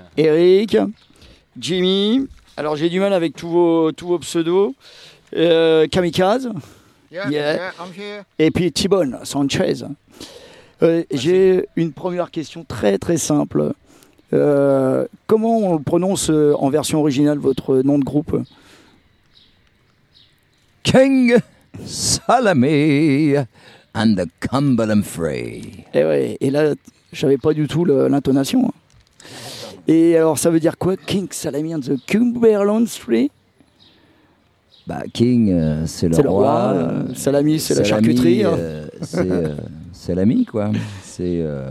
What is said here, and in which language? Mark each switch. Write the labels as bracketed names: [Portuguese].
[French] Eric, Jimmy, alors j'ai du mal avec tous vos pseudos. Kamikaze. [English] Yeah, I'm here. [French] Et puis T-Bone Sanchez. J'ai une première question très très simple. Comment on prononce en version originale votre nom de groupe ? King Salami and the Cumberland Three. Et ouais, et là, j'avais pas du tout l'intonation. Et alors, ça veut dire quoi, King Salami and the Cumberland Three ? Bah, King, c'est le roi. Salami, c'est la charcuterie. C'est l'ami, quoi. C'est.